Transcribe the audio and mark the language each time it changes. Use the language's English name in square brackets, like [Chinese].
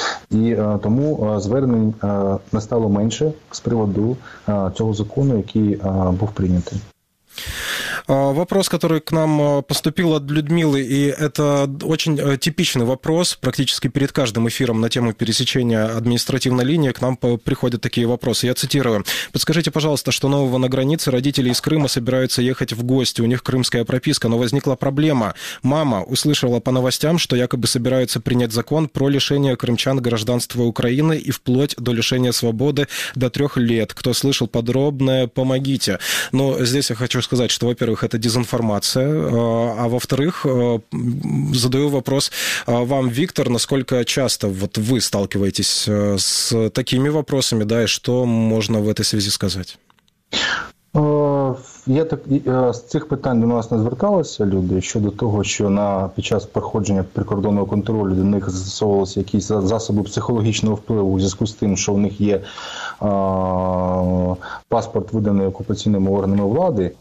[Ukrainian] І тому звернень не стало менше з приводу цього закону, який був прийнятий. [Russian] Вопрос, который к нам поступил от Людмилы, и это очень типичный вопрос, практически перед каждым эфиром на тему пересечения административной линии к нам приходят такие вопросы. Я цитирую. «Подскажите, пожалуйста, что нового на границе? Родители из Крыма собираются ехать в гости, у них крымская прописка, но возникла проблема. Мама услышала по новостям, что якобы собираются принять закон про лишение крымчан гражданства Украины и вплоть до лишения свободы до 3 лет. Кто слышал подробное, помогите». Но здесь я хочу сказать, что, во-первых, это дезинформация, а во-вторых, задаю вопрос вам, Виктор, насколько часто вот вы сталкиваетесь с такими вопросами, да, и что можно в этой связи сказать? [Ukrainian] Я так, з цих питань до нас не зверталися люди щодо того, що на під час проходження прикордонного контролю до них застосовувалися якісь засоби психологічного впливу у зв'язку з тим, що у них є паспорт, виданий окупаційними органами влади.